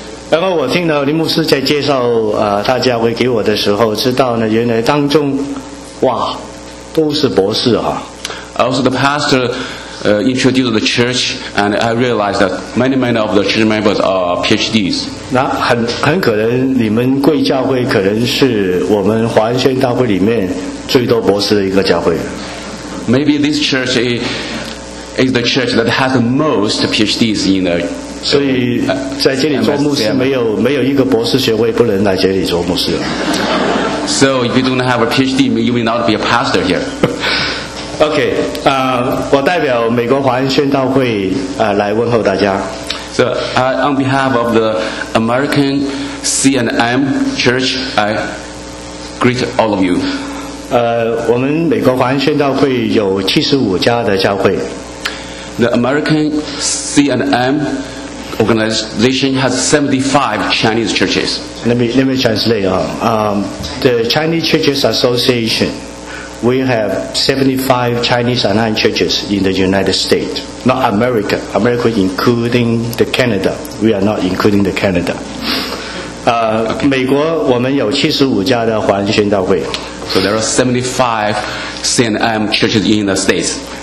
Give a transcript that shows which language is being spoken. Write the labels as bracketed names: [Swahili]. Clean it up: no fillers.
[Chinese] 然后我听到林牧师在介绍他教会给我的时候，知道呢，原来当中，哇，都是博士啊。 [English] Also, the pastor, introduced the church, and I realized that many of the church members are PhDs. [Chinese] 那很可能你们贵教会可能是我们华人宣道会里面最多博士的一个教会。 [English] Maybe this church is the church that has the most PhDs in the. [Chinese] 所以在这里做牧师没有一个博士学位不能来这里做牧师。 [English] So if you don't have a PhD, you will not be a pastor here. [Chinese] OK, 我代表美国华人宣道会来问候大家。 [English] So, on behalf of the American C&M Church, I greet all of you. [Chinese] 我们美国华人宣道会有75家的教会。 [English] The American C&M organization has 75 Chinese churches. Let me translate. The Chinese Churches Association. We have 75 Chinese online churches in the United States, not America. America including the Canada. We are not including the Canada. Okay. [Chinese] 美国我们有75家的华人宣道会。 [English] So there are 75 C&M churches in the States.